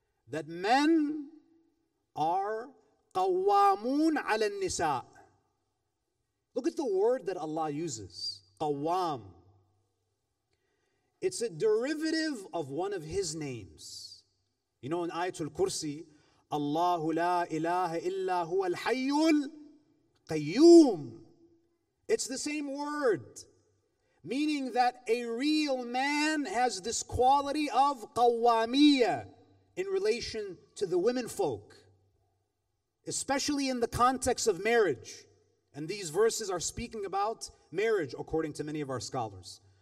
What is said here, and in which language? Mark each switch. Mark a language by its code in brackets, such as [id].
[en] That men are [ar] قوامون على النساء. [en] Look at the word that Allah uses, قوام. It's a derivative of one of His names. You know, in Ayatul Kursi, [ar] الله لا إله إلا هو الحي القيوم. [en] It's the same word, meaning that a real man has this quality of قوامية in relation to the women folk, especially in the context of marriage. And these verses are speaking about marriage, according to many of our scholars.